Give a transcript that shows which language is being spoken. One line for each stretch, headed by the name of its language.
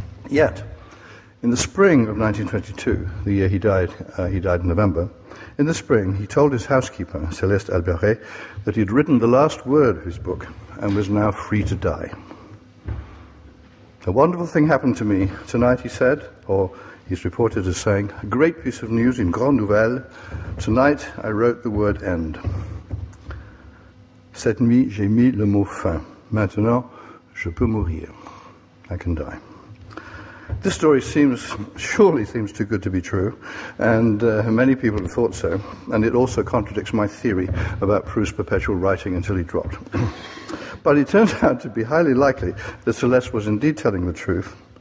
English: Yet, in the spring of 1922, the year he died in November, in the spring, he told his housekeeper, Céleste Alberet, that he had written the last word of his book and was now free to die. A wonderful thing happened to me tonight, he said, or he's reported as saying, a great piece of news in
French: Grande Nouvelle.
English: Tonight, I wrote the word end.
French: Cette nuit, j'ai mis le mot fin. Maintenant, je peux mourir.
English: I can die. This story surely seems too good to be true, and many people have thought so, and it also contradicts my theory about Proust's perpetual writing until he dropped. But it turns out to be highly likely that Céleste was indeed telling the truth.